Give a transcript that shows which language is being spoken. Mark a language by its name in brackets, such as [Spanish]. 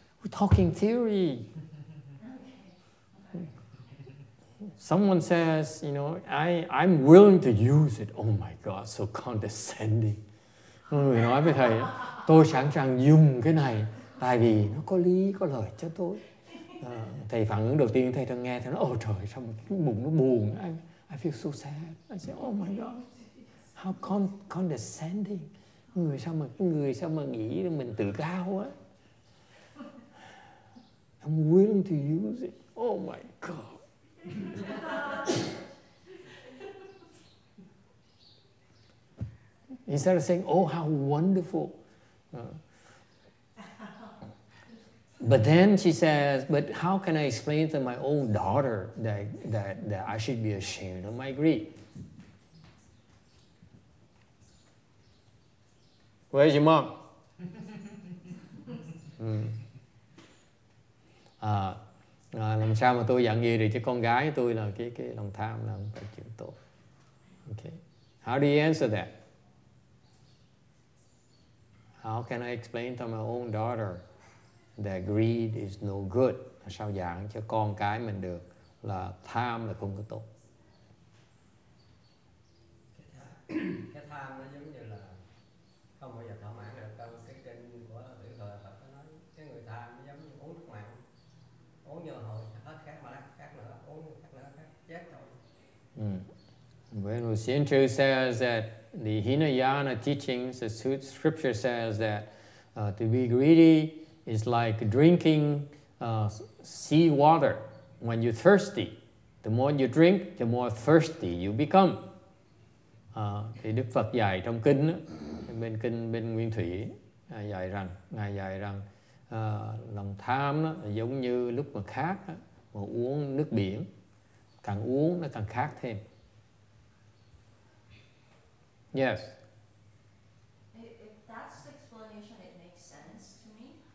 [English] Talking theory. someone says, you know, I'm willing to use it. Oh my God, so condescending. [Vietnamese] Người nói với thầy, tôi sẵn sàng dùng cái này tại vì nó có lý, có lợi cho tôi. Thầy phản ứng đầu tiên, thầy đang nghe, thầy nói, ôi trời, sao mà cái bụng nó buồn. [English] I feel so sad. I say, oh my God, how condescending. [Vietnamese] Người sao mà nghĩ mình tự cao á. [English] I'm willing to use it. Oh my God. Instead of saying, oh, how wonderful. But then she says, but how can I explain to my own daughter that I should be ashamed of my greed? Where's your mom? [Vietnamese] Làm sao mà tôi dặn gì được cho con gái tôi là cái lòng tham là cái chuyện tốt. [English] Okay. How do you answer that? How can I explain to my own daughter that greed is no good? [Vietnamese] Làm sao dặn cho con cái mình được là tham là không có tốt? Cái tham nó giống như là không bao giờ thỏa mãn được. Trong cái kinh của Tử Thời Phật nó nói cái người tham nó giống như uống nước mặn, uống nhiều hồi hết khát mà khát nữa, uống khát nữa khát chết thôi. [English] When Lucien Chu says that the Hinayana teachings, the scripture says that to be greedy is like drinking sea water. When you're thirsty, the more you drink, the more thirsty you become. [Vietnamese] Thì Đức Phật dạy trong kinh, bên kinh bên Nguyên Thủy, dạy rằng, Ngài dạy rằng lòng tham giống như lúc mà khát, mà uống nước biển, càng uống nó càng khát thêm. [English] Yes. If that's the explanation, it makes sense to me.